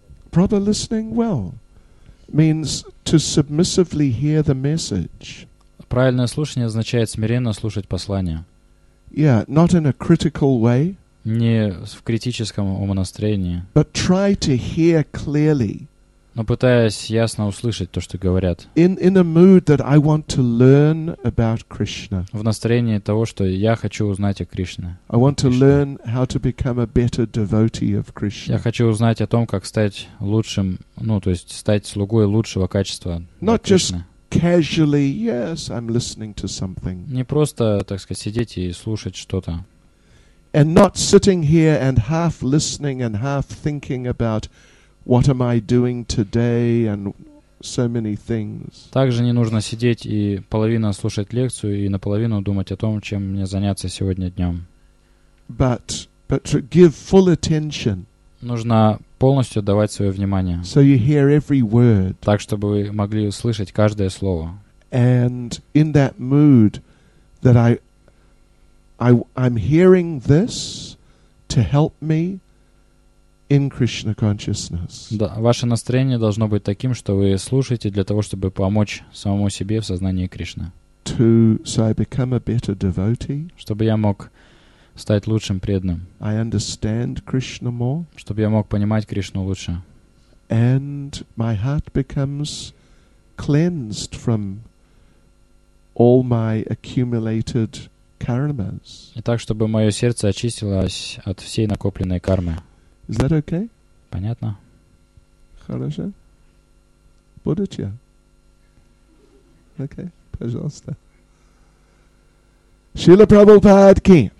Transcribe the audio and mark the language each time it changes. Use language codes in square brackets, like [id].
[en] Proper listening well means to submissively hear the message. [ru] Правильное слушание означает смиренно слушать послание. [en] Yeah, not in a critical way. [ru] Не в критическом умонастроении. [en] But try to hear clearly. [ru] Но пытаясь ясно услышать то, что говорят. [en] In a mood that I want to learn about Krishna. [ru] В настроении того, что я хочу узнать о Кришне. [en] I want to learn how to become a better devotee of Krishna. [ru] Я хочу узнать о том, как стать лучшим, ну, то есть стать слугой лучшего качества Кришны. [en] Not just casually, yes, I'm listening to something. [ru] Не просто, так сказать, сидеть и слушать что-то. [en] And not sitting here and half listening and half thinking about what am I doing today and so many things. [ru] Также не нужно сидеть и половину слушать лекцию и наполовину думать о том, чем мне заняться сегодня днем. [en] But to give full attention. [ru] Нужно полностью отдавать свое внимание. [en] So you hear every word. [ru] Так, чтобы вы могли услышать каждое слово. [en] And in that mood that I'm hearing this to help me in Krishna consciousness. [ru] Да, ваше настроение должно быть таким, что вы слушаете для того, чтобы помочь самому себе в сознании Кришны. [en] So I become a better devotee. [ru] Чтобы я мог стать лучшим преданным. [en] I understand Krishna more. [ru] Чтобы я мог понимать Кришну лучше. [en] And my heart becomes cleansed from all my accumulated karmas. [ru] И так, чтобы мое сердце очистилось от всей накопленной кармы. [en] Is that okay? [ru] Понятно. Хорошо. Будете? Окей, пожалуйста. Шрила Прабхупад ки.